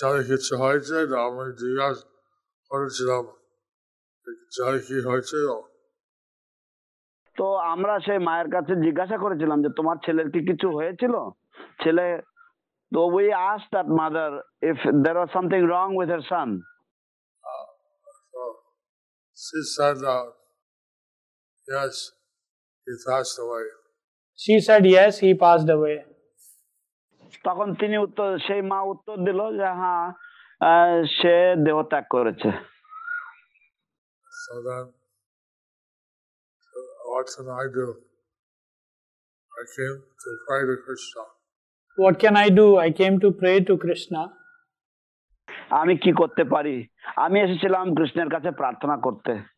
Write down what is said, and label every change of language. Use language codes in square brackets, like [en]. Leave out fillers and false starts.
[bn] কিছু হয়েছে আমি জিজ্ঞাসা করেছিলাম চাই কি হয়েছে তো আমরা সেই মায়ের কাছে জিজ্ঞাসা করেছিলাম যে তোমার ছেলের কি কিছু হয়েছিল ছেলে তো [en] we asked that mother if there was something wrong with her son she said yes he passed away she said yes he passed away [bn] তখন তিনি উত্তর সেই মা উত্তর দিল যে হ্যাঁ সে দেহত্যাগ করেছে [en] What can I do? I came to pray to Krishna. What can I do? I came to pray to Krishna. [bn] আমি কি করতে পারি? আমি এসেছিলাম কৃষ্ণের কাছে প্রার্থনা করতে.